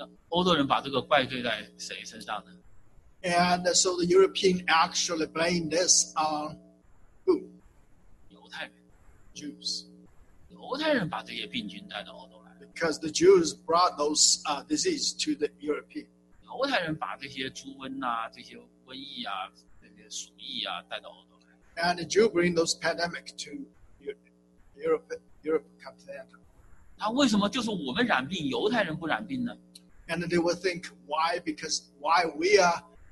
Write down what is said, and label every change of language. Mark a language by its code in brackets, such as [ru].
[zh] 欧洲人把这个怪罪在谁身上呢? [en] And so the European actually blamed this on who? [zh] 犹太人。 [en] Jews. [zh] 犹太人把这些病菌带到欧洲。 [en] Because the Jews brought those disease to the European. [zh] 犹太人把这些猪瘟啊, 这些瘟疫啊, 这些鼠疫啊, 带到欧洲来。 [en] And the Jews bring those pandemic to Europe continental. [zh] 那为什么就是我们染病, 犹太人不染病呢? [en] And they will think, why? Because why we are